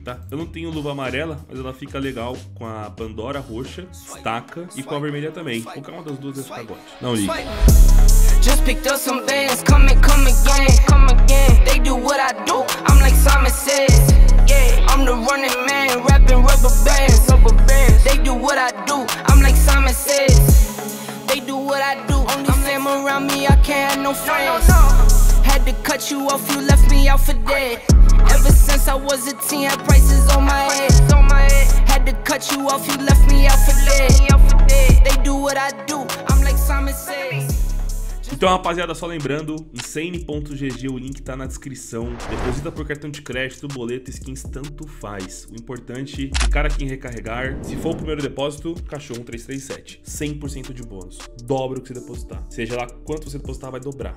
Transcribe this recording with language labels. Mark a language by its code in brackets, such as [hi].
[pt] Eu não tenho luva amarela, mas ela fica legal com a Pandora roxa, estaca, e com a vermelha também. Qualquer uma das duas é pagode. Não liga. [en] Just picked up some bands, come again. They do what I do, I'm like Simon Says. Yeah, I'm the running man, rapping rubber bands. They do what I do, I'm like Simon Says. They do what I do, only fam around me, I can't have no friends. Had to cut you off, you left me out for dead. Ever since I was a teen, had prices on my head. Had to cut you off, you left me out for dead. They do what I do, I'm like Simon Says. [pt] Então, rapaziada, só lembrando, insane.gg, o link tá na descrição. Deposita por cartão de crédito, boleto, skins, tanto faz. O importante, ficar aqui em recarregar. Se for o primeiro depósito, cachorro 1337. 100% de bônus. Dobra o que você depositar. Seja lá quanto você depositar, vai dobrar.